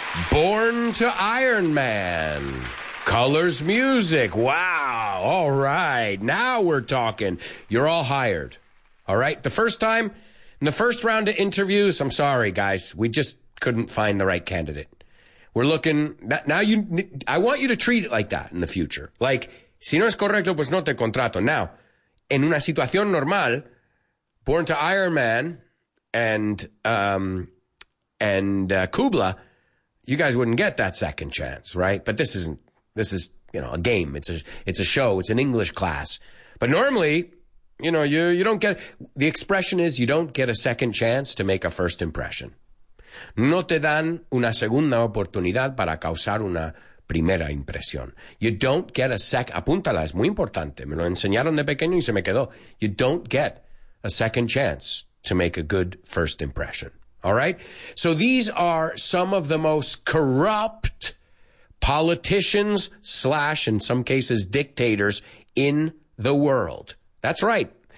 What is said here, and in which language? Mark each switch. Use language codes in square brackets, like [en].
[en] Born to Iron Man. Colors Music. Wow. All right. Now we're talking. You're all hired. All right. The first time, in the first round of interviews, I'm sorry, guys. We just couldn't find the right candidate. We're looking. Now you, I want you to treat it like that in the future. [es] Like, si no es correcto, pues no te contrato. [en] Now, [es] en una situación normal, [en] Born to Iron Man and Kubla, you guys wouldn't get that second chance, right? But this isn't, this is, you know, a game. It's a show. It's an English class. But normally, you know, you don't get, the expression is you don't get a second chance to make a first impression. [es] No te dan una segunda oportunidad para causar una primera impresión. [en] You don't get a sec, [es] apúntala, es muy importante. Me lo enseñaron de pequeño y se me quedó. [en] You don't get a second chance to make a good first impression. All right? So these are some of the most corrupt politicians slash, in some cases, dictators in the world. That's right.